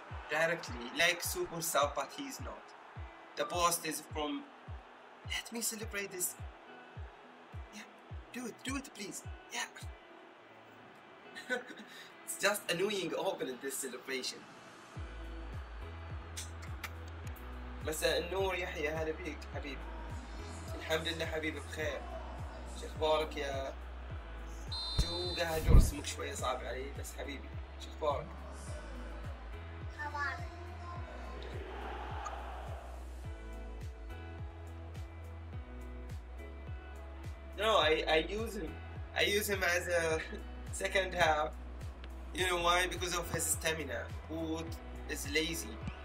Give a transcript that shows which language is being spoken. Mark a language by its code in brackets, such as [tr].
[en] Directly, like super sub, but he's not. The post is from Let me celebrate this. Yeah, do it, please. Yeah. It's just annoying opening this celebration. [ar] مساء النور يحيى, هلا بيك حبيبي. الحمد لله حبيبي بخير. شو اخبارك يا جو؟ قاعد جو رسمك شوية صعب علي بس حبيبي. شو اخبارك؟ [en] No, I use him as a second half. You know why? Because of his stamina. Who is lazy?